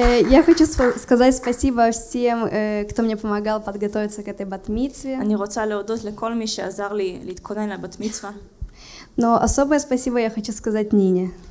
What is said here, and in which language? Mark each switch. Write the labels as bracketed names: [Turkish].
[Russian] Я хочу сказать спасибо всем, кто мне помогал подготовиться к этой бат-мицве. [Hebrew] אני רוצה להודות לכל מי שעזר לי להתכונן לבת-מצווה. [Russian] Но особое спасибо я хочу сказать Нине.